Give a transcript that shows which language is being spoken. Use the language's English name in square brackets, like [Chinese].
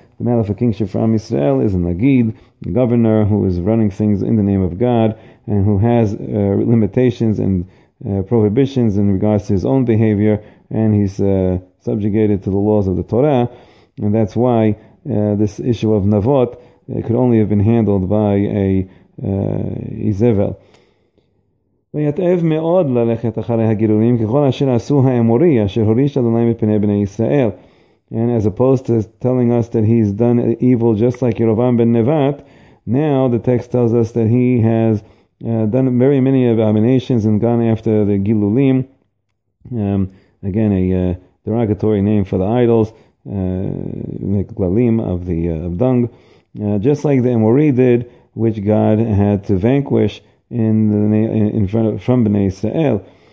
[English] the Malach of Kingship from Israel is a Nagid, a governor who is running things in the name of God and who has limitations and prohibitions in regards to his own behavior, and he's subjugated to the laws of the Torah, and that's why this issue of Navot could only have been handled by a Izevel. [Hebrew] ויתאב מאוד ללכת אחרי הגירויים ככל אשר עשו האמורי אשר הוריש אדוני מפני בני ישראל. [English] And as opposed to telling us that he's done evil just like Yerovam ben Nevat, now the text tells us that he has done very many abominations and gone after the Gilulim. Again, a derogatory name for the idols, Glalim of the of dung, just like the Amori did, which God had to vanquish from Bnei Israel.